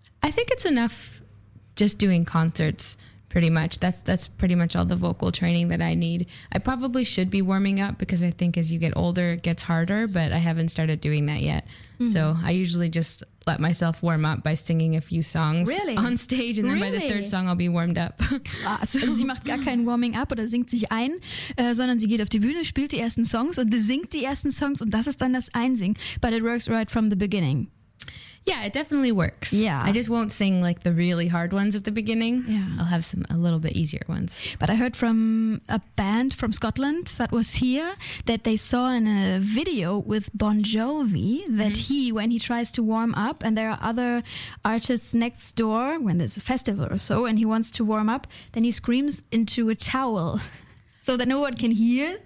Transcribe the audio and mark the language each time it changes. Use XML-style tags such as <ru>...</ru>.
<en>I think it's enough. Just doing concerts, pretty much. That's pretty much all the vocal training that I need. I probably should be warming up because I think as you get older, it gets harder, but I haven't started doing that yet. Mm-hmm. So I usually just let myself warm up by singing a few songs really? On stage and then really? By the third song I'll be warmed up.</en> <de>Krass. Also sie macht gar kein Warming up oder singt sich ein, sondern sie geht auf die Bühne, spielt die ersten Songs und singt die ersten Songs und das ist dann das Einsingen.</de> <en>But it works right from the beginning. Yeah, it definitely works. Yeah. I just won't sing like the really hard ones at the beginning. Yeah. I'll have some a little bit easier ones. But I heard from a band from Scotland that was here that they saw in a video with Bon Jovi that mm-hmm. When he tries to warm up and there are other artists next door when there's a festival or so and he wants to warm up, then he screams into a towel so that no one can hear.</en>